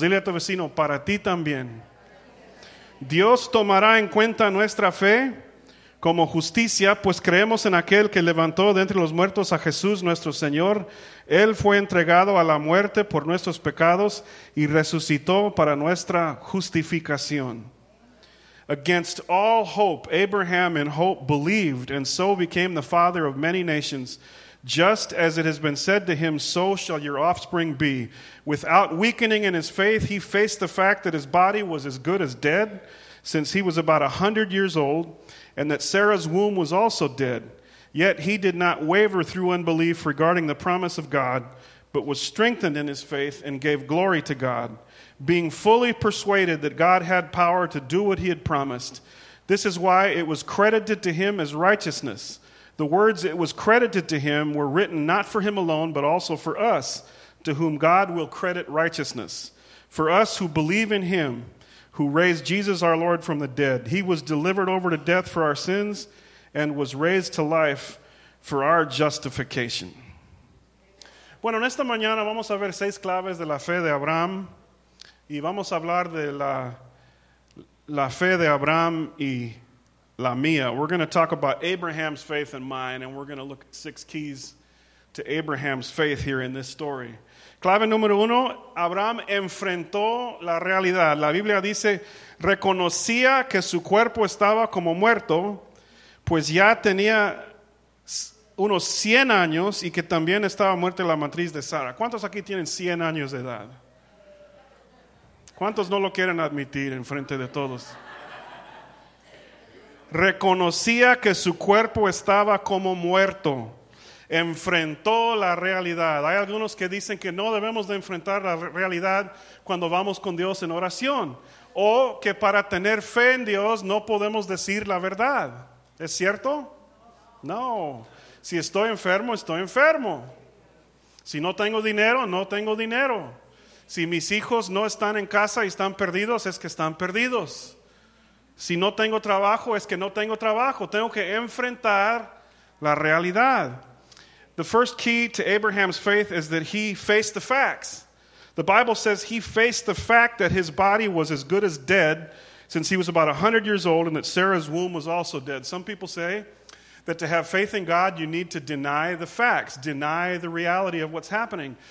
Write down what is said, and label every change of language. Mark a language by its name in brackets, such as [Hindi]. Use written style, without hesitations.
[Spanish] Dile a tu vecino, para ti también. Dios tomará en cuenta nuestra fe como justicia, pues creemos en aquel que levantó de entre los muertos a Jesús nuestro Señor. Él fue entregado a la muerte por nuestros pecados y resucitó para nuestra justificación. [English] Against all hope, Abraham in hope believed, and so became the father of many nations. Just as it has been said to him, so shall your offspring be. Without weakening in his faith, he faced the fact that his body was as good as dead, since he was about 100 years old, and that Sarah's womb was also dead. Yet he did not waver through unbelief regarding the promise of God, but was strengthened in his faith and gave glory to God, being fully persuaded that God had power to do what he had promised. This is why it was credited to him as righteousness. The words "it was credited to him" were written not for him alone, but also for us, to whom God will credit righteousness. For us who believe in him, who raised Jesus our Lord from the dead. He was delivered over to death for our sins and was raised to life for our justification. [Spanish] Bueno, en esta mañana vamos a ver seis claves de la fe de Abraham, y vamos a hablar de la fe de Abraham y la mía. [English] We're going to talk about Abraham's faith and mine, and we're going to look at six keys to Abraham's faith here in this story. [Spanish] Clave número uno, Abraham enfrentó la realidad. La Biblia dice, reconocía que su cuerpo estaba como muerto, pues ya tenía unos 100 años y que también estaba muerta la matriz de Sara. ¿Cuántos aquí tienen 100 años de edad? ¿Cuántos no lo quieren admitir en frente de todos? Reconocía que su cuerpo estaba como muerto. Enfrentó la realidad. Hay algunos que dicen que no debemos de enfrentar la realidad cuando vamos con Dios en oración, o que para tener fe en Dios no podemos decir la verdad. ¿Es cierto? No. Si estoy enfermo, estoy enfermo. Si no tengo dinero, no tengo dinero. Si mis hijos no están en casa y están perdidos, es que están perdidos. Si no tengo trabajo, es que no tengo trabajo. Tengo que enfrentar la realidad. [English] The first key to Abraham's faith is that he faced the facts. The Bible says he faced the fact that his body was as good as dead, since he was about 100 years old, and that Sarah's womb was also dead. Some people say that to have faith in God, you need to deny the facts, deny the reality of what's happening.